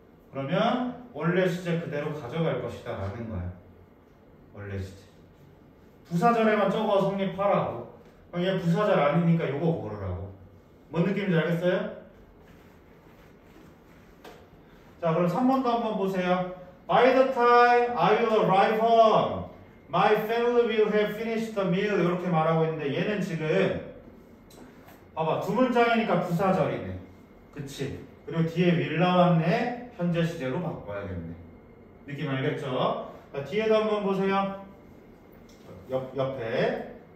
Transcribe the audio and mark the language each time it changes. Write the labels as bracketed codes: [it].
[ko] 그러면 원래 시제 그대로 가져갈 것이다 라는 거야. 원래 시제 부사절에만 적어 성립하라고. 얘 부사절 아니니까 요거 고르라고. 뭔 느낌인지 알겠어요? 자, 그럼 3번도 한번 보세요. [en] By the time I will arrive home, my family will have finished the meal. [ko] 이렇게 말하고 있는데 얘는 지금 봐봐, 두 문장이니까 부사절이네. 그치? 그리고 뒤에 will 나왔네. 현재 시제로 바꿔야겠네. 느낌 알겠죠? 자, 뒤에도 한번 보세요. 옆에.